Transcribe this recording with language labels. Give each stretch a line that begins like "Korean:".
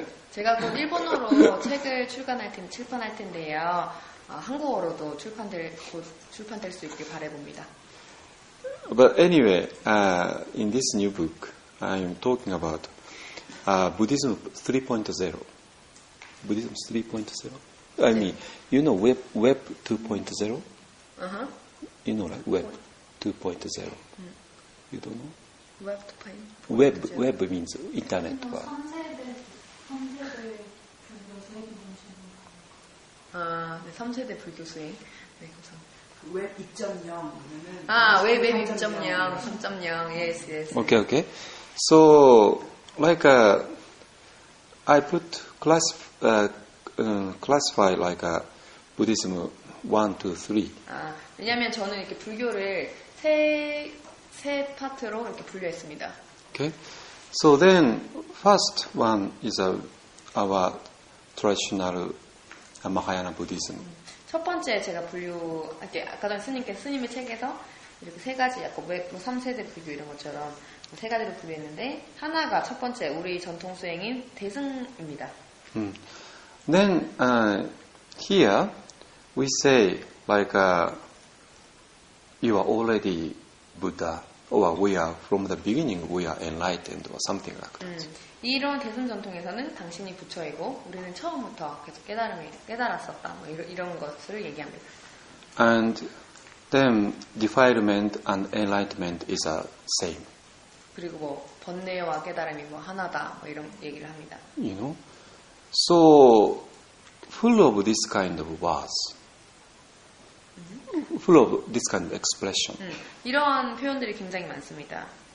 Korean: 제가 곧 일본어로 책을 출판할 텐데요. 한국어로도 출판될 수 있길 바라봅니다.
English: But anyway, in this new book, I am talking about Buddhism 3.0. Buddhism 3.0? I mean, you know Web 2.0? You know, like Web 2.0. You don't know? Web 2.0. Web means internet. Or. Web 2.0. Web 2.0. 3.0. Yes, yes. Okay, okay. So, like, I put classify like a Buddhism 1, 2, 3.
Korean: 왜냐하면 저는 이렇게 불교를 세 파트로 이렇게 분류했습니다.
English: Okay. So then, first one is our traditional Mahayana Buddhism.
Korean: 첫 번째 제가 분류, 아까 전 스님께서 스님의 책에서 이렇게 세 가지, 뭐 3세대 불교 이런 것처럼 세 가지로 분류했는데 하나가 첫 번째 우리 전통 수행인 대승입니다.
English: Then here we say like you are already Buddha or we are from the beginning we are enlightened or something like that.
Korean: 이런 대승 전통에서는 당신이 부처이고 우리는 처음부터 계속 깨달았었다 뭐 이런 것을 얘기합니다.
English: And then defilement and enlightenment is the same.
Korean: 그리고 뭐 번뇌와 깨달음이 뭐 하나다 뭐 이런 얘기를 합니다.
English: You know? So, full of this kind of words, full of this kind of expression.
Korean: 이런 표현들이 굉장히 많습니다.